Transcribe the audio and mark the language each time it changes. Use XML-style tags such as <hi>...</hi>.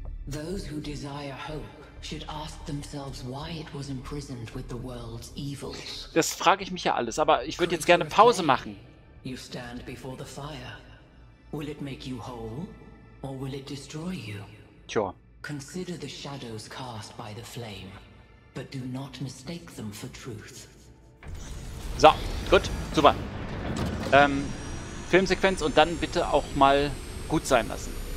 <en>Those who desire hope should ask themselves why it was imprisoned with the world's evils.</en> <de>Das frage ich mich ja alles, aber ich würde jetzt gerne Pause machen.</de> <en>You stand before the fire. Will it make you whole or will it destroy you? Sure. Consider the shadows cast by the flame, but do not mistake them for truth.</en> <de>So, gut, super. Filmsequenz und dann bitte auch mal gut sein lassen.</de>